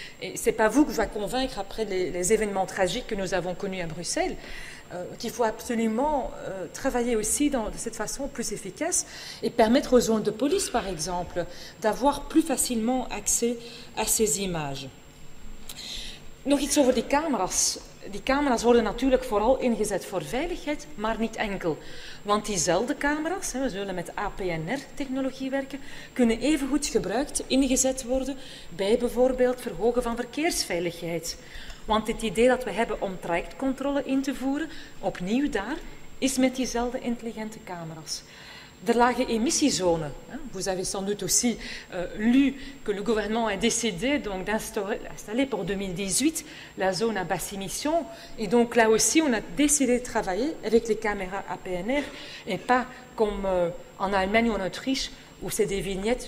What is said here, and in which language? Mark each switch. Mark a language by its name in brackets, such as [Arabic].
[French] Et ce n'est pas vous que je vais convaincre après les événements tragiques que nous avons connus à Bruxelles, qu'il faut absolument travailler aussi de cette façon plus efficace et permettre aux zones de police, par exemple, d'avoir plus facilement accès à ces images. [Dutch] Nog iets over die camera's. Die camera's worden natuurlijk vooral ingezet voor veiligheid, maar niet enkel. Want diezelfde camera's, we zullen met APNR-technologie werken, kunnen evengoed gebruikt, ingezet worden bij bijvoorbeeld verhogen van verkeersveiligheid. Want het idee dat we hebben om trajectcontrole in te voeren, opnieuw daar, is met diezelfde intelligente camera's. De lage émissiezone. [French] Vous avez sans doute aussi lu que le gouvernement a décidé donc d'installer pour 2018 la zone à basse émission. Et donc là aussi, on a décidé de travailler avec les caméras APNR et pas comme en Allemagne ou en Autriche où c'est des vignettes.